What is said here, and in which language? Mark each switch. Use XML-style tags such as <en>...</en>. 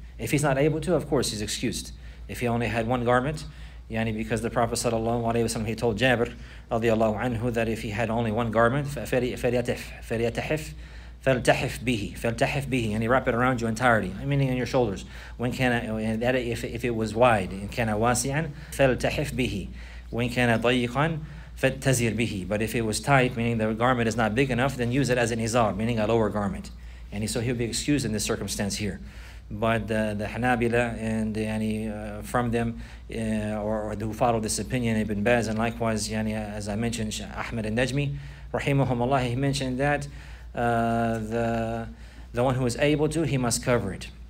<en>If he's not able to, of course he's excused. If he only had one garment, because the Prophet sallallahu alayhi wa sallam, he told Jabir radiallahu anhu that if he had only one garment,</en> <ar>فَلْيَتَحِفْ فَلْتَحِفْ بِهِ,</ar> <en>and he wrap it around your entirety, meaning on your shoulders. When</en> <ar>كان,</ar> <en>that if it was wide,</en> <ar>إن كان واسعًا فَلْتَحِفْ بِهِ وَإِن كان ضيقًا فَتَزِيرْ بِهِ.</ar> <en>But if it was tight, meaning the garment is not big enough, then use it as an izar, meaning a lower garment. And so he'll be excused in this circumstance here. But the Hanabila and from them or who follow this opinion, Ibn Baz, and likewise, as I mentioned, Ahmed al-Najmi,</en> <ar>رحمهم الله,</ar> <en>he mentioned that the one who is able to, he must cover it.</en>